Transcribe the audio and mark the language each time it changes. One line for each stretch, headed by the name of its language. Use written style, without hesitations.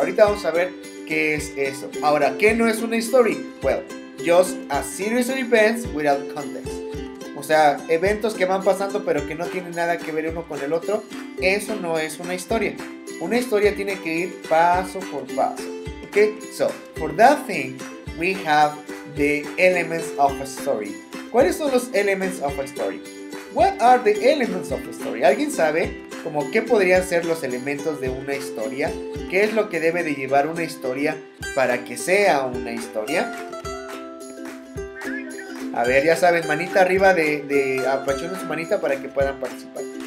Spanish: Ahorita vamos a ver qué es eso. Ahora, ¿qué no es una story?
English: Well, just a series of events without context.
Spanish: O sea, eventos que van pasando pero que no tienen nada que ver uno con el otro. Eso no es una historia. Una historia tiene que ir paso por paso.
English: Ok, so, for that thing, we have the elements of a story.
Spanish: ¿Cuáles son los
English: elements of a story? What are the elements of a story?
Spanish: ¿Alguien sabe como qué podrían ser los elementos de una historia? ¿Qué es lo que debe de llevar una historia para que sea una historia? A ver, ya saben, manita arriba de apachones, manita para que puedan participar.